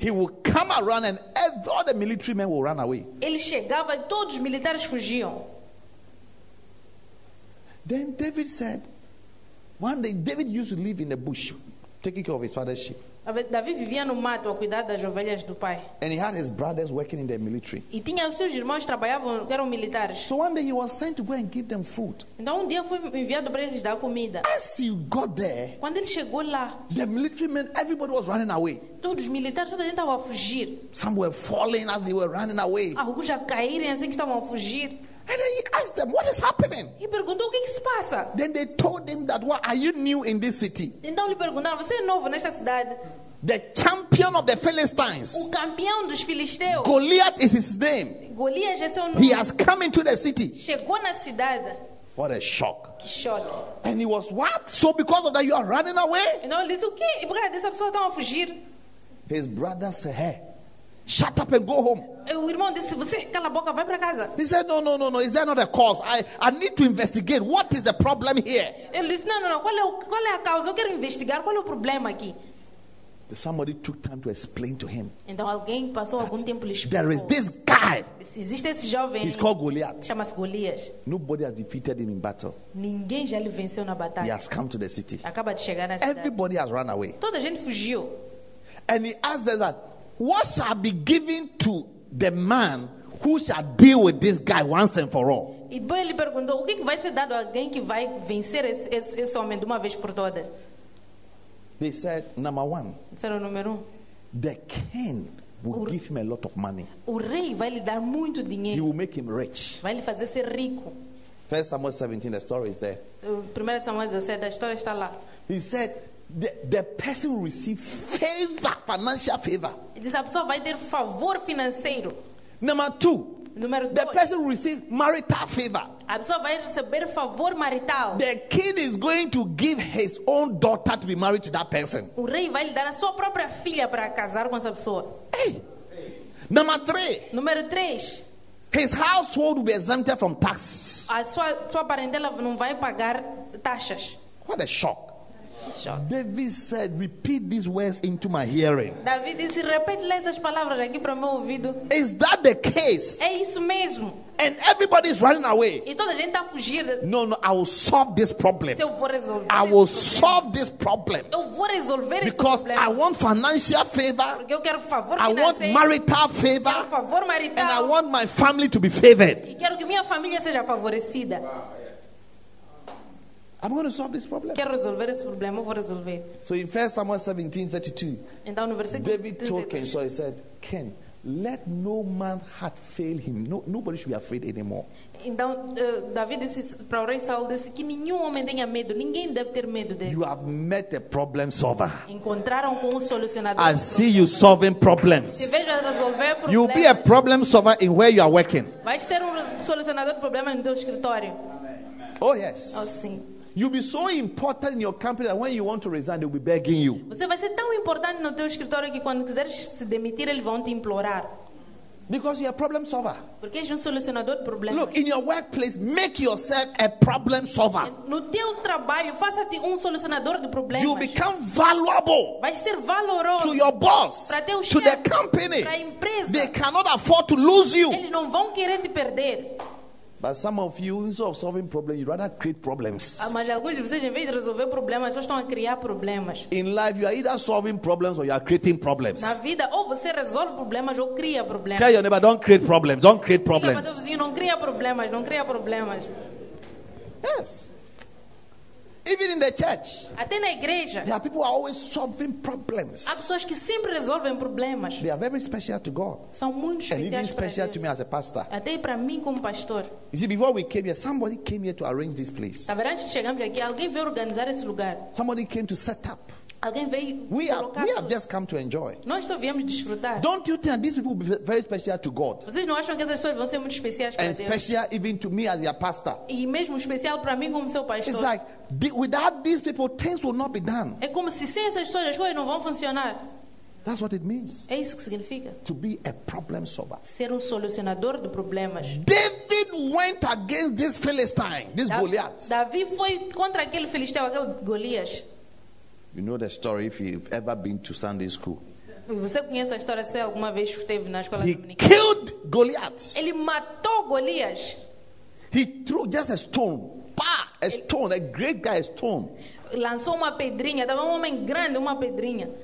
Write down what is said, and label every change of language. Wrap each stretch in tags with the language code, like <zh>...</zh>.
<en>He would come around and all the military men would run away.</en> <pt>Ele chegava e todos os militares fugiam.</pt> <en>Then David said, one day David used to live in the bush, taking care of his father's sheep.</en> <pt>Davi vivia no mato a cuidar das ovelhas do pai.</pt> <en>And he had his brothers working in the military.</en> <pt>E tinha os seus irmãos que trabalhavam, que eram militares.</pt> <en>So one day he was sent to go and give them food.</en> <pt>Então dia foi enviado para eles dar comida.</pt> <en>As he got there,</en> <pt>quando ele chegou lá,</pt> <en>the military men, everybody was running away.</en> <pt>Todos os militares, toda a gente estava a fugir.</pt> <en>Some were falling as they were running away.</en> <pt>Alguns já caíram assim que estavam a fugir.</pt> <en>And then he asked them, what is happening?</en> <pt>Ele perguntou, o que se passa?</pt> <en>Then they told him that, well, are you new in this city?</en> <pt>Então lhe perguntaram, você é novo nesta cidade?</pt> <en>The champion of the Philistines.</en> <pt>O campeão dos filisteus.</pt> <en>Goliath is his name.</en> <pt>Goliath é seu nome.</pt> <en>He has come into the city.</en> <pt>Chegou na cidade.</pt> <en>What a shock.</en> <pt>Que choque.</pt> <en>And he was, what? So because of that you are running away?</en> <pt>Então ele disse, o quê? Por que essa pessoa está a fugir?</pt> <en>His brother said, hey, shut up and go home.</en> <pt>O irmão disse, você cala a boca, vai para casa.</pt> <en>He said, no. Is there not a cause? I need to investigate. What is the problem here?</en> <pt>Ele disse, não. Qual é a causa? Eu quero investigar. Qual é o problema aqui?</pt> <en>Somebody took time to explain to him.</en> <pt>Então alguém passou algum tempo lhe explicou.</pt> <en>There is this guy.</en> <pt>Existe esse jovem.</pt> <en>He's called Goliath.</en> <pt>Chama-se Golias.</pt> <en>Nobody has defeated him in battle.</en> <pt>Ninguém já lhe venceu na batalha.</pt> <en>He has come to the city.</en> <pt>Acaba de chegar na cidade.</pt> <en>Everybody has run away.</en> <pt>Toda a gente fugiu.</pt> <en>And he asked them that, what shall be given to the man who shall deal with this guy once and for all?</en> <pt>E depois ele perguntou, o que vai ser dado a alguém que vai vencer esse homem de uma vez por todas?</pt> <en>They said, number one, the king will give him a lot of money.</en> <pt>O rei vai lhe dar muito dinheiro.</pt> <en>He will make him rich.</en> <pt>Vai lhe fazer ser rico.</pt> <en>1 Samuel 17, the story is there.</en> <pt>1 Samuel 17, a história está lá.</pt> <en>He said, the person will receive favor, financial favor.</en> <pt>Ele disse, a pessoa vai ter favor financeiro.</pt> <en>Number two,</en> <pt>número dois,</pt> <en>the person will receive marital favor.</en> <pt>A pessoa vai receber favor marital.</pt> <en>The king is going to give his own daughter to be married to that person.</en> <pt>O rei vai lhe dar a sua própria filha para casar com essa pessoa.</pt> <en>Hey.</en> <pt>Número 3.</pt> <en>His household will be exempted from taxes.</en> <pt>A sua parentela não vai pagar taxas.</pt> <en>What a shock. Shock. David said, repeat these words into my hearing.</en> <pt>David disse, repete essas palavras aqui para o meu ouvido.</pt> <en>Is that the case?</en> <pt>É isso mesmo.</pt> <en>And everybody is running away.</en> <pt>E toda a gente está a fugir.</pt> <en>No, I will solve this problem.</en> <pt>Se eu vou resolver.</pt> <en>I will solve this problem.</en> <pt>Eu vou resolver</pt> <en>because</en> <pt>esse problema.</pt> <en>I want financial favor.</en> <pt>Porque eu quero favor financeiro.</pt> <en>I want marital favor.</en> <pt>Quero favor marital.</pt> <en>And I want my family to be favored.</en> <pt>E quero que minha família seja favorecida.</pt> <en>I'm going to solve this problem.</en> <pt>Quero resolver esse problema, vou resolver.</pt> <en>So in 1 Samuel 17:32,</en> <pt>então, no versículo</pt> <en>David told Ken, so he said, Ken, let no man heart fail him. No, nobody should be afraid anymore.</en> <pt>Então, David disse para o rei Saul, disse que nenhum homem tenha medo, ninguém deve ter medo dele.</pt> <en>You have met a problem solver.</en> <pt>Encontraram com um solucionador.</pt> <en>I see you solving problems.</en> <pt>Te vejo a resolver problemas.</pt> <en>You'll be a problem solver in where you are working.</en> <pt>Vai ser solucionador de problemas no teu escritório.</pt> <en>Oh yes.</en> <pt>Oh sim.</pt> <en>You'll be so important in your company that when you want to resign, they'll be begging you.</en> <pt>Você vai ser tão importante no teu escritório que quando quiseres se demitir, eles vão te implorar.</pt> <en>Because you're a problem solver.</en> <pt>Porque és solucionador de problemas.</pt> <en>Look, in your workplace, make yourself a problem solver.</en> <pt>No teu trabalho, faça-te solucionador de problemas.</pt> <en>You become valuable.</en> <pt>Vai ser valoroso.</pt> <en>To your boss.</en> <pt>Para teu chefe.</pt> <en>To the company.</en> <pt>Para a empresa.</pt> <en>They cannot afford to lose you.</en> <pt>Eles não vão querer te perder.</pt> <en>But some of you, instead of solving problems, you rather create problems.</en> <pt>Mas alguns de vocês, em vez de resolver problemas, só estão a criar problemas.</pt> <en>In life, you are either solving problems or you are creating problems.</en> <pt>Na vida, ou você resolve problemas ou cria problemas.</pt> <en>Tell your neighbor, don't create problems. Don't create problems.</en> <pt>Diga para o vizinho, não cria problemas. Não cria problemas.</pt> <en>Yes. Even in the church.</en> <pt>Até na igreja.</pt> <en>There are people who are always solving problems.</en> <pt>Há pessoas que sempre resolvem problemas.</pt> <en>They are very special to God.</en> <pt>São muito especiais.</pt> <en>And even special to me as a pastor.</en> <pt>Até para mim como pastor.</pt> <en>You see, before we came here, somebody came here to arrange this place.</en> <pt>Antes de chegarmos aqui, alguém veio organizar esse lugar.</pt> <en>Somebody came to set up.</en> <pt>Alguém veio colocar.</pt> <en>We have just come to enjoy.</en> <pt>Nós só viemos desfrutar.</pt> <en>Don't you think these people will be very special to God?</en> <pt>Vocês não acham que essas pessoas vão ser muito especiais para</pt> <en>and</en> <pt>Deus?</pt> <en>Special even to me as your pastor.</en> <pt>E mesmo especial para mim como seu pastor.</pt> <en>It's like without these people, things will not be done.</en> <pt>É como se sem essas pessoas as coisas não vão funcionar.</pt> <en>That's what it means.</en> <pt>É isso que significa.</pt> <en>To be a problem solver.</en> <pt>Ser solucionador de problemas.</pt> <en>David went against this Philistine, this Goliath.</en> <pt>Davi foi contra aquele filisteu, aquele Golias.</pt> <en>You know the story if you've ever been to Sunday school.</en> <pt>Você conhece a história se alguma vez esteve na escola dominical?</pt> <en>He killed Goliath.</en> <pt>Ele matou Golias.</pt> <en>He threw just a stone. A stone, a great guy, a stone.</en> <pt>Lançou uma pedrinha, dava um homem grande uma pedrinha.</pt>